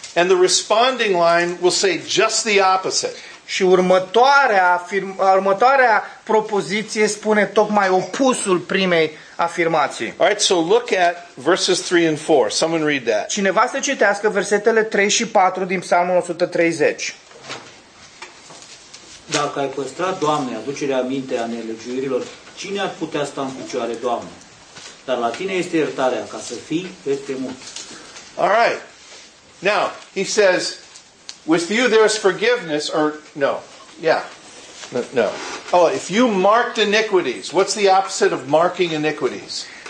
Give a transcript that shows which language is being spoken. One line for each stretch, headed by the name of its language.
English: And the responding line will say just the opposite.
Romanian: Și următoarea propoziție spune tocmai opusul primei afirmații.
English: All right, so look at verses 3 and 4. Someone read that.
Romanian: Cineva să citească versetele 3 și 4 din Psalmul 130. Dacă ai păstrat, Doamne, aducerea minte a nelegiuirilor, cine ar putea sta în picioare, Doamne? Dar la tine este iertarea, ca să fii peste mult.
English: All right. Now, he says, with you there is forgiveness, or no, yeah, no. Oh, if you marked iniquities, what's the opposite of marking iniquities?